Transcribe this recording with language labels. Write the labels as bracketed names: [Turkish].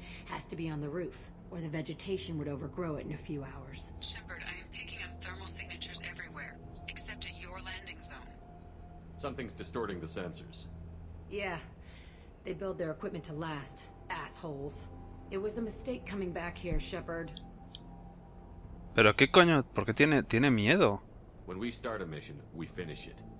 [English] Has to be on the roof, or the vegetation would overgrow it in a few hours. Shepard, I am picking up thermal signatures everywhere, except at your landing zone. Something's distorting the sensors. Yeah, they build their equipment to last, assholes. It was a mistake coming back here, Shepard. [Spanish] Pero qué coño, ¿por qué tiene miedo? [English] When we start a mission, we finish it.